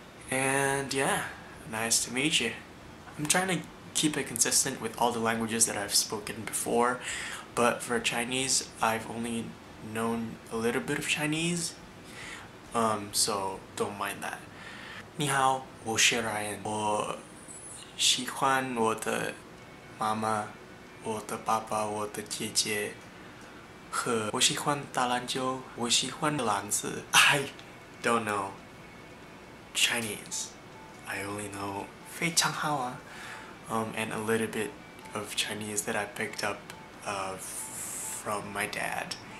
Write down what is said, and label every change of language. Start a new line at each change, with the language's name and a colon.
English: And yeah, nice to meet you. I'm trying to keep it consistent with all the languages that I've spoken before, but for Chinese, I've only known a little bit of Chinese, so don't mind that.
Chinese: 你好, 我是 Ryan. 我喜欢我的妈妈, 我的爸爸, 我的姐姐, 和我喜欢打篮球, 我喜欢篮子.
English: I don't know Chinese. I only know
Chinese: 非常好啊,
English: and a little bit of Chinese that I picked up from my dad.